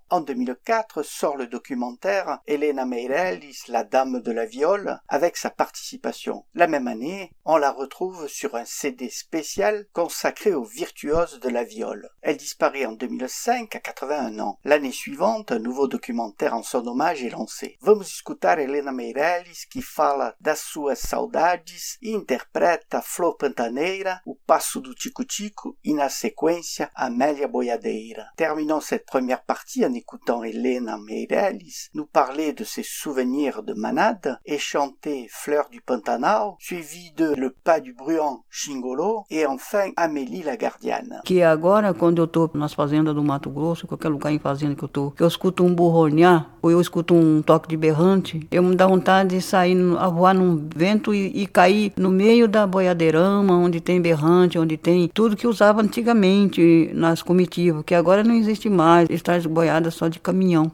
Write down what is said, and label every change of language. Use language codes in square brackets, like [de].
[fr] En 2004 sort le documentaire Helena Meirelles, la dame de la viole, avec sa participation. La même année, on la retrouve sur un CD spécial consacré aux virtuoses de la viole. Elle disparaît en 2005 à 81 ans. L'année suivante, un nouveau documentaire en son hommage est lancé. [pt] Vamos escutar Helena Meirelles qui fala das suas saudades e interpreta Flor Pantaneira, o passo do Tico-Tico e na sequência Amélia Boiadeira. [fr] Terminons cette première partie en écoutant Helena Meirelles nous parler de ses souvenirs de manade et chanter Fleurs du Pantanal, suivi de Le Pas du Bruant Xingolo et enfin Amélie la Gardiane. [pt] Que agora, quando eu tô nas fazendas do Mato Grosso, qualquer lugar em fazenda que eu tô, que eu escuto burronear, ou eu escuto toque de berrante, eu me dá vontade de sair a voar num vento e cair no meio da boiadeirama, onde tem berrante, onde tem tudo que usava antigamente nas comitivas, que agora não existe mais, está de boiada só de caminhão.